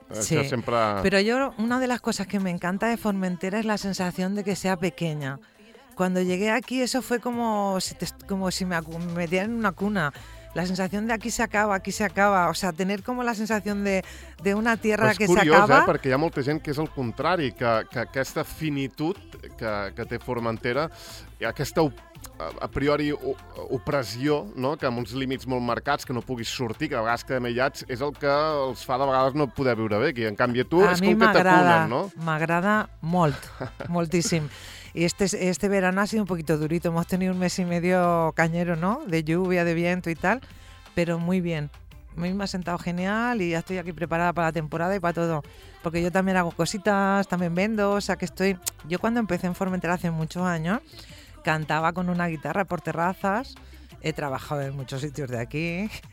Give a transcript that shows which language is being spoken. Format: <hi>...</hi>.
<es>Sí, sempre... pero yo una de las cosas que me encanta de Formentera es la sensación de que sea pequeña. Cuando llegué aquí eso fue como si me metieran en una cuna. La sensación de aquí se acaba, o sea, tener como la sensación de una tierra que s'acaba...</es> <ca>És curiós, perquè hi ha molta gent que és el contrari, que aquesta finitud que té Formentera, i aquesta a priori opressió, no? Que amb uns límits molt marcats, que no puguis sortir, que a vegades quedem aïllats, és el que els fa de vegades no poder viure bé, que en canvi tu a és com que t'acunen, no? A mi m'agrada molt, moltíssim.</ca> <es>Y este verano ha sido un poquito durito, hemos tenido 1 mes y medio cañero, ¿no? De lluvia, de viento y tal, pero muy bien. A mí me ha sentado genial y ya estoy aquí preparada para la temporada y para todo. Porque yo también hago cositas, también vendo, o sea que estoy... Yo cuando empecé en Formentera hace muchos años, cantaba con una guitarra por terrazas, he trabajado en muchos sitios de aquí...</es>